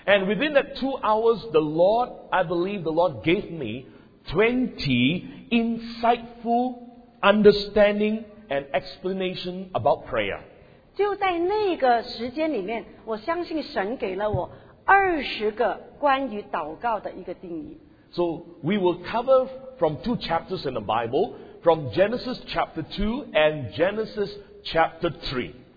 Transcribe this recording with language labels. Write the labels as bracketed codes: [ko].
[en] And within that 2 hours, I believe the Lord gave me 20 insightful understanding and explanation about prayer. [zh] 就在那个时间里面, 我相信神给了我20个关于祷告的一个定义。 [en] So we will cover from 2 chapters in the Bible, from Genesis chapter 2 and Genesis chapter 3.